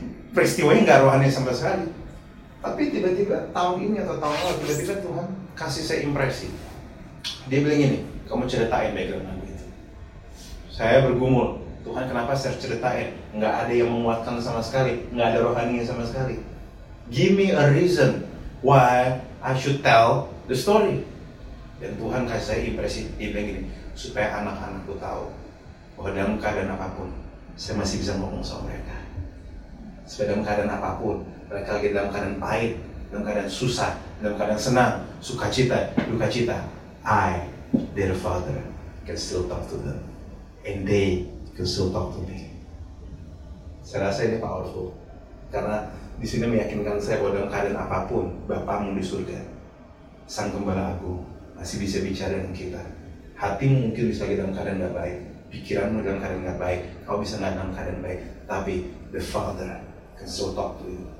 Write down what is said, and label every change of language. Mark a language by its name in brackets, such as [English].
[Indonesian] Peristiwanya nggak rohani sama sekali. Tapi tiba-tiba tahun ini atau tahun lalu, tiba-tiba Tuhan kasih saya impresi. Dia bilang gini, kamu ceritain background lagu itu. Saya bergumul, Tuhan kenapa saya ceritain? Nggak ada yang menguatkan sama sekali, nggak ada rohaninya sama sekali. [English] Give me a reason why I should tell the story. [Indonesian] Dan Tuhan kasih saya impresi, dia bilang gini, supaya anak-anakku tahu bahwa dalam keadaan apapun, saya masih bisa ngomong sama mereka. Supaya dalam keadaan apapun, mereka lagi dalam keadaan pahit, dalam keadaan susah, dalam keadaan senang, sukacita, duka cita, [English] I, their father, can still talk to them. And they can still talk to me. [Indonesian] Saya rasa ini powerful. Karena di sini meyakinkan saya bahwa dalam keadaan apapun, Bapamu di surga, Sang Gembala aku, masih bisa bicara dengan kita. Hatimu mungkin bisa lagi dalam keadaan gak baik, pikiranmu dalam keadaan gak baik, kau bisa gak dalam keadaan baik, tapi [English] the Father can still talk to you.